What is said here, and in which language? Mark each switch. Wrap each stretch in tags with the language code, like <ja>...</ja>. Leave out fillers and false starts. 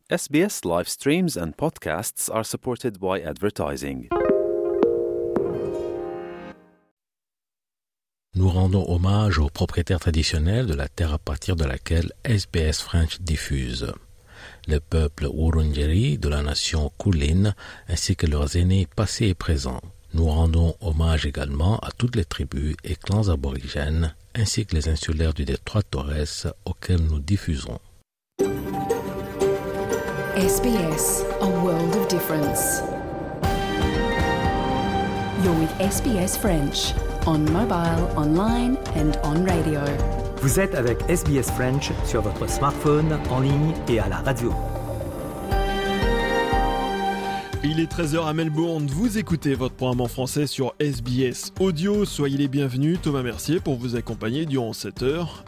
<en>SBS live streams and podcasts are supported by advertising.</en> <fr>Nous rendons hommage aux propriétaires traditionnels de la terre à partir de laquelle SBS French diffuse. Le peuple Wurundjeri de la nation Kulin ainsi que leurs aînés passés et présents. Nous rendons hommage également à toutes les tribus et clans aborigènes ainsi que les insulaires du détroit Torres auxquels nous diffusons.</fr> <en>SBS, a world of difference. You're with SBS French, on mobile, online and on radio.</en> <fr>Vous êtes avec SBS French sur votre smartphone, en ligne et à la radio. Il est 13h à Melbourne, vous écoutez votre programme en français sur SBS Audio. Soyez les bienvenus, Thomas Mercier pour vous accompagner durant 7h.</fr>